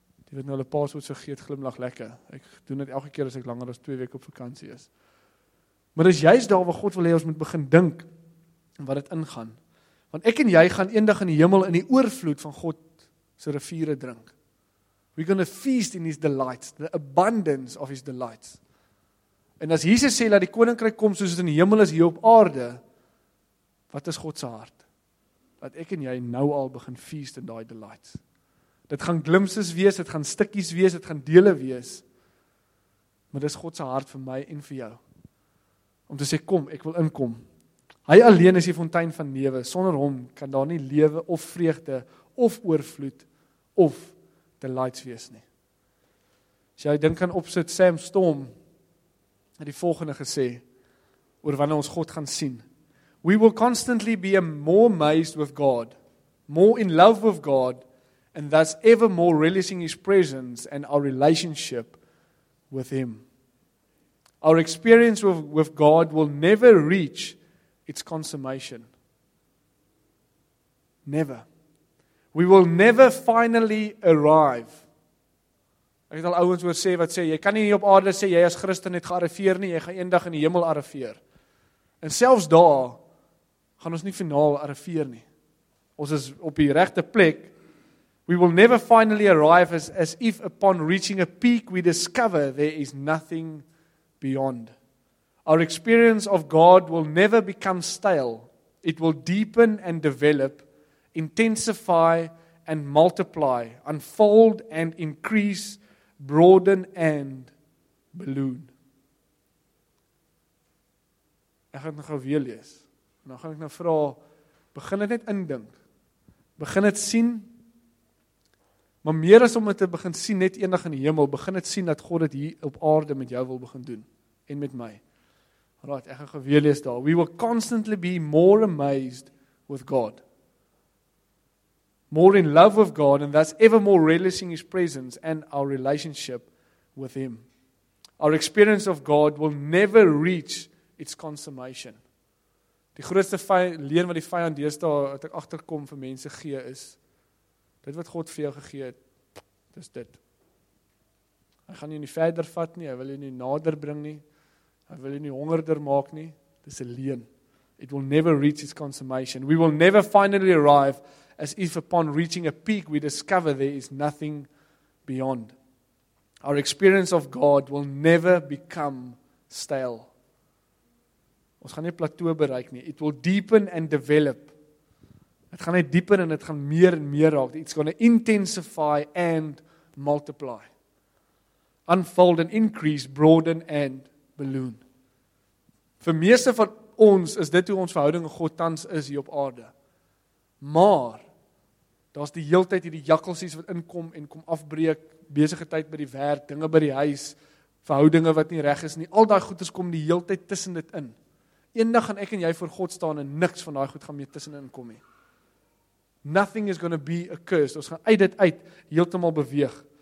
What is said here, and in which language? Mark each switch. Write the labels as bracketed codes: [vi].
[af] Jy weet nou, hulle paswoord vergeet, glimlag lekker. Ek doen dit elke keer as ek langer as 2 weke op vakantie is. Maar dis juist daar waar God wil hê, ons moet begin dink wat dit ingaan. Want ek en jy gaan eendag in die hemel in die oorvloed van God se riviere drink. [en] We're gonna feast in his delights, the abundance of his delights. [af] En as Jesus sê dat die koninkryk kom soos dit in die hemel is hier op aarde, wat is God se hart? Dat ek en jy nou al begin feast in daai delights. Dit gaan glimpses wees, dit gaan stikkies wees, dit gaan dele wees. Maar dis God se hart vir my en vir jou. Om te sê, kom, ek wil inkom. Hy alleen is die fontein van lewe. Sonder hom kan daar nie lewe of vreugde of oorvloed of delights wees nie. As jy dink aan opsit, Sam Storm het die volgende gesê, oor wanneer ons God gaan sien. [en] We will constantly be more amazed with God, more in love with God, and thus ever more releasing his presence and our relationship with him. Our experience with God will never reach its consummation. Never. We will never finally arrive. [af] Ek het al ouens hoor sê wat sê, jy kan nie op aarde sê, jy as Christen het gearriveer nie, jy gaan eendag in die hemel arriveer. En selfs daar, gaan ons nie finaal arriveer nie. Ons is op die regte plek. [en] We will never finally arrive as if upon reaching a peak we discover there is nothing beyond. Our experience of God will never become stale. It will deepen and develop, intensify and multiply, unfold and increase, broaden and balloon. [af] Ek gaan nog weer lees. Nou gaan ek nou vra, begin het net indink. Begin het sien. Maar meer as om het te begin sien net enig in die hemel, begin het sien dat God het hier op aarde met jou wil begin doen. En met my. Right, ek gaan weer lees daar. [en] We will constantly be more amazed with God. More in love with God, and thus ever more releasing his presence and our relationship with him. Our experience of God will never reach its consummation. [af] Die grootste leer wat die vyand deesdae wat ek agterkom vir mense gee is, dit wat God vir jou gegee het, dis dit. Hy gaan jou nie verder vat nie, hy wil jou nie nader bring nie, hy wil jou nie hongerder maak nie, dis 'n leen. [en] It will never reach its consummation. We will never finally arrive as if upon reaching a peak we discover there is nothing beyond. Our experience of God will never become stale. [af] Ons gaan nie plateau bereik nie. [en] It will deepen and develop. [af] Het gaan net dieper en het gaan meer en meer raak. [en] It's going to intensify and multiply. Unfold and increase, broaden and balloon. [af] Vir meeste van ons is dit hoe ons verhouding met God tans is hier op aarde. Maar, daar is die heel tyd hier die jakkelsies wat inkom en kom afbreek, besige tyd by die werk, dinge by die huis, verhoudinge wat nie reg is nie. Al die goeders kom die heel tyd tussen dit in. Eendag gaan ek en jy voor God staan en niks van daai goed gaan meer tussenin kom nie. [en] Nothing is going to be a curse. [af] Ons gaan uit dit uit, heeltemal beweeg.